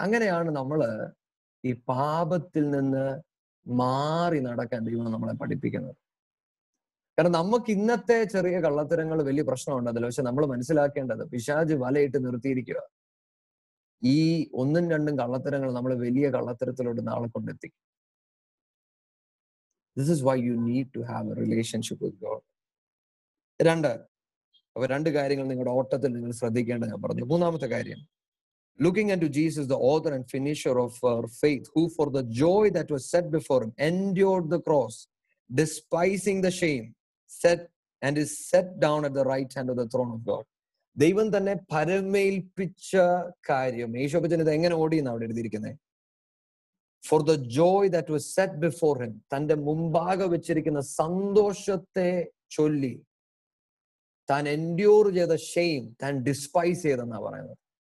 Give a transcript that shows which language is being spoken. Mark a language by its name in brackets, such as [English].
[Malayalam] അങ്ങനെയാണ് നമ്മള് ഈ പാപത്തിൽ നിന്ന് മാറി നടക്കാൻ ദൈവം നമ്മളെ പഠിപ്പിക്കുന്നത്. കാരണം നമുക്ക് ഇന്നത്തെ ചെറിയ കള്ളത്തരങ്ങൾ വലിയ പ്രശ്നമുണ്ടല്ലോ, പക്ഷെ നമ്മൾ മനസ്സിലാക്കേണ്ടത് പിശാച് വലയിട്ട് നിർത്തിയിരിക്കുക, ഈ 1-ഉം 2-ഉം കള്ളത്തരങ്ങൾ നമ്മൾ വലിയ കള്ളത്തരത്തിലോട്ട് നാളെ കൊണ്ടെത്തിക്കും. [English] This is why you need to have a relationship with God. [Malayalam] രണ്ട് കാര്യങ്ങൾ നിങ്ങളുടെ ഓട്ടത്തിൽ നിങ്ങൾ ശ്രദ്ധിക്കേണ്ടത് ഞാൻ പറഞ്ഞു. മൂന്നാമത്തെ കാര്യം, [English] looking unto Jesus, the author and finisher of our faith, who for the joy that was set before him endured the cross, despising the shame, is set down at the right hand of the throne of God. [Malayalam] ദൈവം തന്നെ പരമേൽപ്പിച്ച കാര്യം യേശോപ്പച്ചൻ ഇത് എങ്ങനെ ഓടി എന്ന് അവിടെ എഴുതിയിരിക്കുന്നത്, [English] for the joy that was set before him, [Malayalam] തന്റെ മുമ്പാകെ വെച്ചിരിക്കുന്ന സന്തോഷത്തെ ചൊല്ലി താൻ എൻഡ്യൂർ ചെയ്ത ഷെയിം താൻ ഡിസ്പൈസ് ചെയ്തെന്നാണ് പറയുന്നത്.